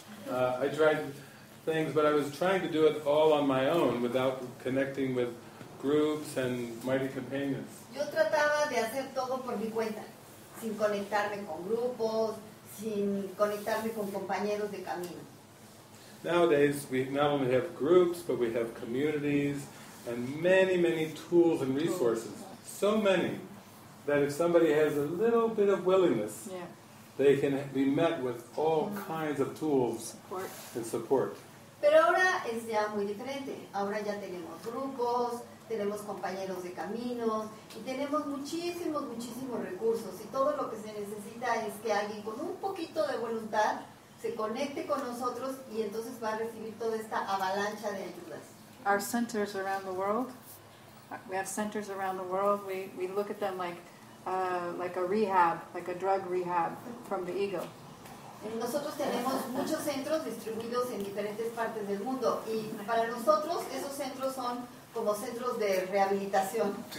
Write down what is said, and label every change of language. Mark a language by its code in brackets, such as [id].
[en] I tried things, but I was trying to do it all on my own without connecting with groups and Mighty Companions. [es] Yo trataba de hacer todo por mi cuenta, sin conectarme con grupos, sin conectarme con compañeros de camino. [en] Nowadays, we not only have groups, but we have communities and many, many tools and resources. So many that if somebody has a little bit of willingness, yeah, they can be met with all kinds of tools support. And support. [es] Pero ahora es ya muy diferente. Ahora ya tenemos grupos, tenemos compañeros de caminos y tenemos muchísimos, muchísimos recursos, y todo lo que se necesita es que alguien con un poquito de voluntad se conecte con nosotros y entonces va a recibir toda esta avalancha de ayudas. [en] Our centers around the world, we have centers around the world, we look at them like a rehab, like a drug rehab from the ego. [es] Nosotros tenemos muchos centros distribuidos en diferentes partes del mundo, y para nosotros esos centros son como centros de rehabilitación.